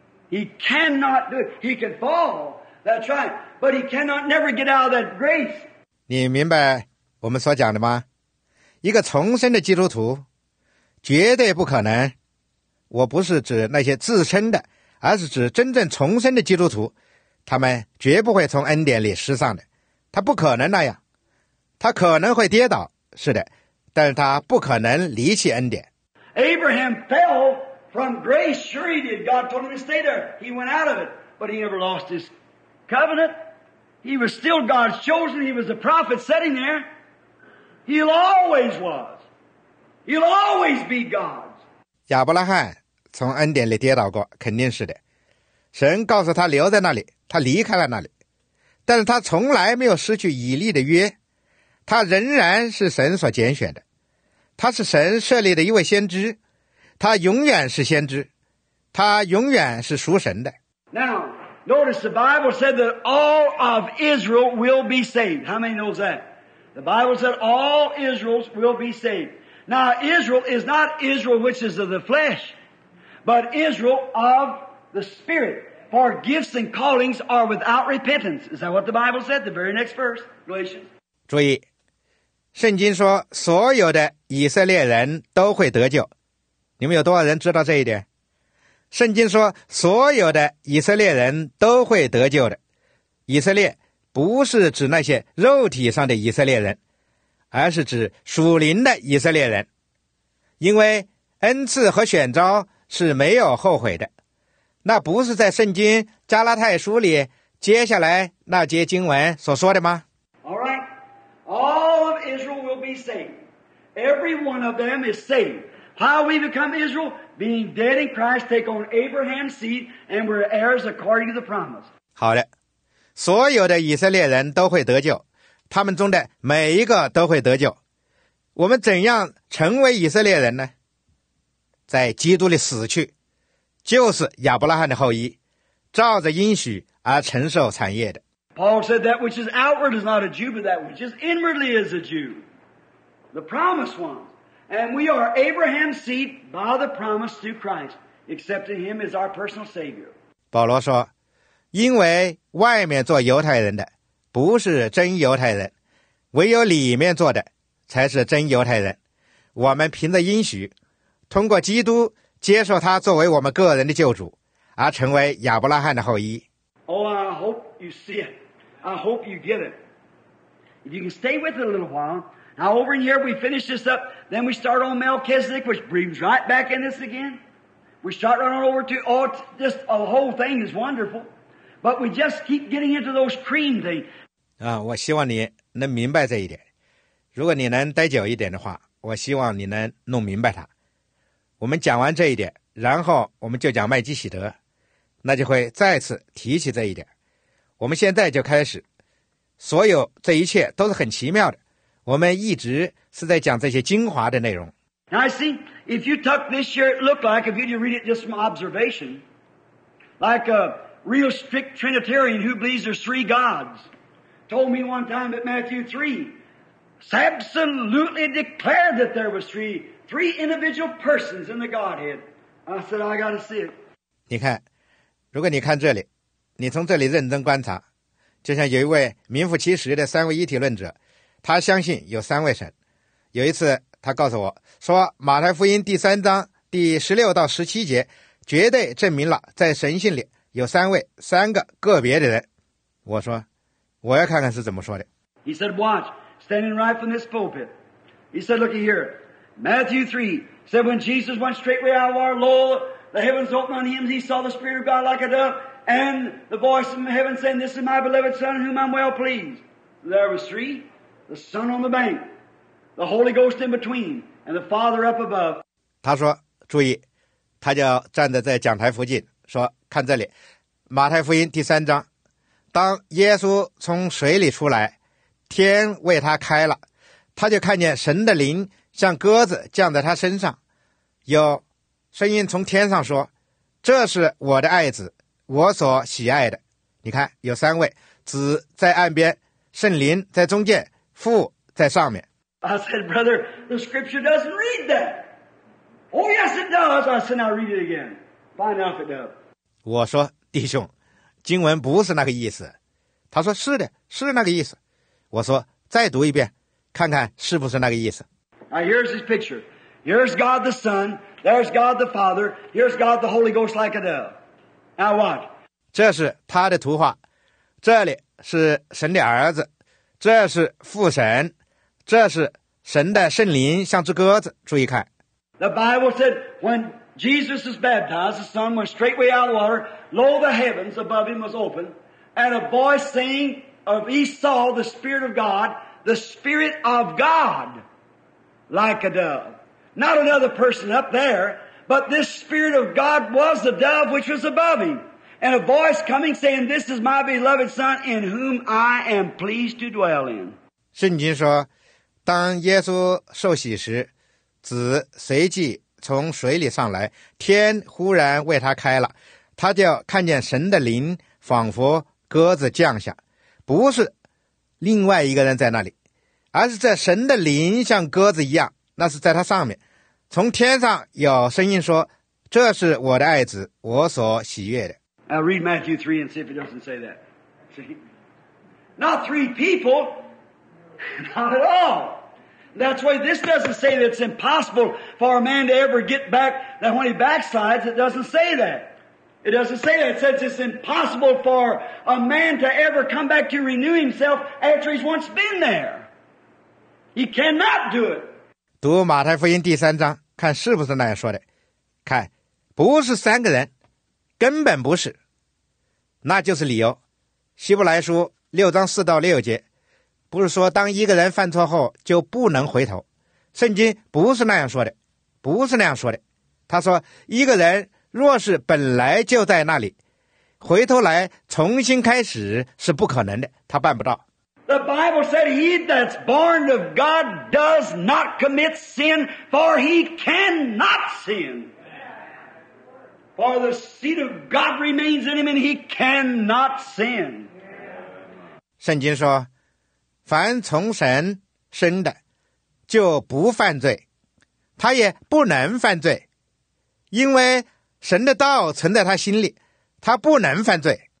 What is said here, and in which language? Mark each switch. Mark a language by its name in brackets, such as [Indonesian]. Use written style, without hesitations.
[English] He cannot do it. He can fall, that's right, but he cannot never get out of that grace. [Chinese] 你明白我们所讲的吗？一个重生的基督徒绝对不可能，我不是指那些自称的，而是指真正重生的基督徒，他们绝不会从恩典里失丧的。他不可能那样，他可能会跌倒，是的，但是他不可能离弃恩典。 [English] Abraham fell from grace, sure he did. God told him to stay there. He went out of it, but he never lost his covenant. He was still God's chosen. He was a prophet sitting there. He always was. He'll always be God's. [Chinese] 亚伯拉罕从恩典里跌倒过，肯定是的。神告诉他留在那里，他离开了那里，但是他从来没有失去以利的约，他仍然是神所拣选的，他是神设立的一位先知，他永远是先知，他永远是属神的。 [English] Now notice the Bible said that all of Israel will be saved. How many knows that? The Bible said all Israel will be saved. Now Israel is not Israel which is of the flesh, but Israel of the Spirit. For gifts and callings are without repentance. Is that what the Bible said? The very next verse, Galatians. [Chinese] 注意，圣经说所有的以色列人都会得救。你们有多少人知道这一点？圣经说所有的以色列人都会得救的。以色列不是指那些肉体上的以色列人，而是指属灵的以色列人。因为恩赐和选召是没有后悔的。那不是在圣经加拉太书里接下来那节经文所说的吗？ [English] All right. All of Israel will be saved. Every one of them is saved. How we become Israel? Being dead in Christ, take on Abraham's seed, and we're heirs according to the promise. [Chinese] 好的，所有的以色列人都会得救，他们中的每一个都会得救。我们怎样成为以色列人呢？在基督里死去，就是亚伯拉罕的后裔，照着应许而承受产业的。 [English] Paul said that which is outward is not a Jew, but that which is inwardly is a Jew, the promised one. And we are Abraham's seed by the promise through Christ, accepting him as our personal Savior. [Chinese] 保罗说，因为外面做犹太人的不是真犹太人，唯有里面做的才是真犹太人。我们凭着应许通过基督接受他作为我们个人的救主，而成为亚伯拉罕的后裔。 [English] Oh, I hope you see it. I hope you get it. If you can stay with it a little while. Now, over in here, we finish this up. Then we start on Melchizedek, which brings right back in this again. We start running over to, oh, just a whole thing is wonderful. But we just keep getting into those cream things. [Chinese] 我希望你能明白这一点。如果你能待久一点的话，我希望你能弄明白它。我们讲完这一点，然后我们就讲麦基洗德，那就会再次提起这一点。我们现在就开始，所有这一切都是很奇妙的。我们一直是在讲这些精华的内容。 [English] Now I see, if you took this year, it looked like, if you didn't read it just from observation, like a real strict Trinitarian who believes there's three gods, told me one time at Matthew 3, absolutely declared that there was three individual persons in the Godhead. I said, I gotta see it. [Chinese] 你看，如果你看这里，你从这里认真观察，就像有一位名副其实的三位一体论者，他相信有三位神。有一次他告诉我说，马太福音第三章第十六到十七节绝对证明了在神性里有三位，三个个别的人。我说，我要看看是怎么说的。 [English] He said, watch, standing right from this pulpit. He said, look here, Matthew 3 said, when Jesus went straightway out of our Lord, the heavens opened on him, he saw the Spirit of God like a dove, and the voice from heaven saying, this is my beloved Son, whom I'm well pleased. There was three. The Son on the bank, the Holy Ghost in between, and the Father up above. [Chinese] 他说，注意，他就站在这讲台附近，说，看这里，马太福音第三章，当耶稣从水里出来，天为他开了，他就看见神的灵像鸽子降在他身上，有声音从天上说，这是我的爱子，我所喜爱的。你看，有三位，子在岸边，圣灵在中间，父在上面。 [English] I said, brother, the scripture doesn't read that. Oh, yes, it does. I said, now read it again. Find out if it does. [Chinese] 我说，弟兄，经文不是那个意思。他说，是的，是那个意思。我说，再读一遍，看看是不是那个意思。 [English] Now, here's his picture. Here's God the Son. There's God the Father. Here's God the Holy Ghost like a dove. Now watch. [Chinese] 这是他的图画。这里是神的儿子，这是父神，这是神的圣灵像只鸽子。注意看。 [English] The Bible said, when Jesus was baptized, the Son went straightway out of water, lo, the heavens above him was open, and a voice saying of Esau, the Spirit of God, the Spirit of God, like a dove. Not another person up there, but this Spirit of God was the dove which was above him. And a voice coming saying, This is my beloved Son in whom I am pleased to dwell in. [Chinese] 圣经说，当耶稣受洗时，子随即从水里上来，天忽然为他开了，他就看见神的灵仿佛鸽子降下，不是另外一个人在那里，而是在神的灵像鸽子一样，那是在他上面，从天上有声音说，这是我的爱子，我所喜悦的。 [English] I'll read Matthew 3 and see if it doesn't say that. See? Not three people. Not at all. That's why this doesn't say that it's impossible for a man to ever get back. That when he backslides, it doesn't say that. It doesn't say that. It says it's impossible for a man to ever come back to renew himself after he's once been there. He cannot do it. [Chinese] 读马太福音第三章，看是不是那样说的。看，不是三个人。根本不是，那就是理由。希伯来书六章四到六节，不是说当一个人犯错后就不能回头，圣经不是那样说的，不是那样说的。他说，一个人若是本来就在那里，回头来重新开始是不可能的，他办不到。 [English] The Bible said, "He that's born of God does not commit sin, for he cannot sin." For the seed of God remains in him and he cannot sin. [Chinese] 圣经说，凡从神生的就不犯罪，他也不能犯罪，因为神的道存在他心里，他不能犯罪。